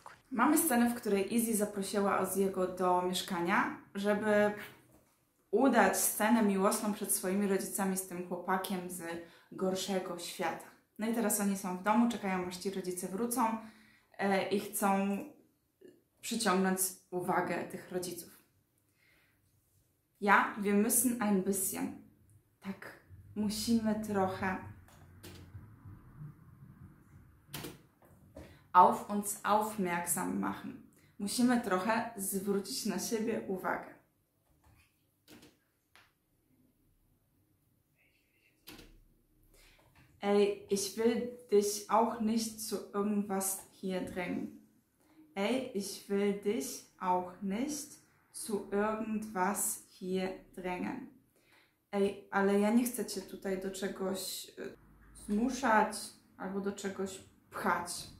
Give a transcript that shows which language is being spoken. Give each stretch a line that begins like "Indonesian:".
Polish: Mamy scenę, w której Izzy zaprosiła Ozziego do mieszkania, żeby udać scenę miłosną przed swoimi rodzicami z tym chłopakiem z gorszego świata. No i teraz oni są w domu, czekają, aż ci rodzice wrócą i chcą przyciągnąć uwagę tych rodziców.
German: Ja, wir müssen ein bisschen.
Polish: Tak, musimy trochę
German: auf uns aufmerksam machen.
Polish: Musimy trochę zwrócić na siebie uwagę.
German: Ey, ich will dich auch nicht zu irgendwas hier drängen. Ey, ich will dich auch nicht zu irgendwas hier drängen.
Polish: Ey, ale ja nie chcę cię tutaj do czegoś zmuszać albo do czegoś pchać.